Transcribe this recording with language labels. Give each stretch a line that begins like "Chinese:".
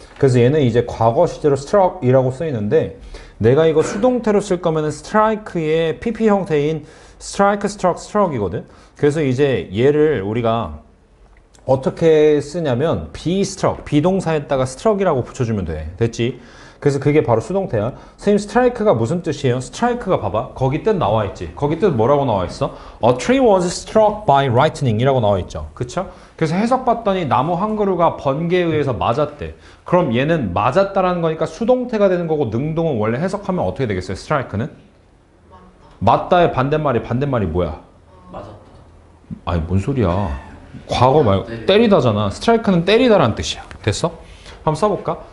Korean: 그래서 얘는 이제 과거 시제로 struck이라고 쓰이는데, 내가 이거 수동태로 쓸 거면은 strike의 PP 형태인 strike, struck, struck이거든. 그래서 이제 얘를 우리가 어떻게 쓰냐면 be struck, 비동사에다가 struck이라고 붙여주면 돼. 됐지? 그래서 그게 바로 수동태야. 선생님, strike가 무슨 뜻이에요? strike가 봐봐. 거기 뜻 나와 있지. 거기 뜻 뭐라고 나와 있어?
English: A tree was struck by lightning
Korean: 이라고 나와 있죠. 그쵸? 그래서 해석 봤더니 나무 한 그루가 번개에 의해서 맞았대. 그럼 얘는 맞았다라는 거니까 수동태가 되는 거고, 능동은 원래 해석하면 어떻게 되겠어요? strike는? 맞다의 반대말이, 반대말이 뭐야? 아니, 뭔 소리야. 과거 말고 때리다잖아. 스트라이크는 때리다라는 뜻이야. 됐어? 한번 써볼까?